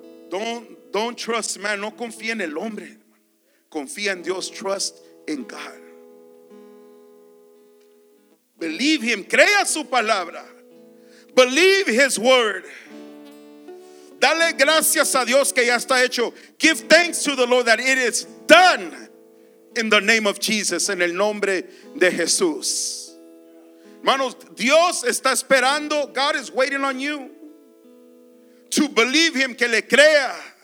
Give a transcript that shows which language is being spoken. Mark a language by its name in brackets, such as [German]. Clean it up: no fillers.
[English] Don't trust man, [Spanish] no confía en el hombre, hermano. Confía en Dios, [English] trust in God. Believe him, [Spanish] crea su palabra. [English] Believe his word. [Spanish] Dale gracias a Dios que ya está hecho. [English] Give thanks to the Lord that it is done. In the name of Jesus, [Spanish] en el nombre de Jesús. Hermanos, Dios está esperando. [English] God is waiting on you to believe him, [Spanish] que le crea.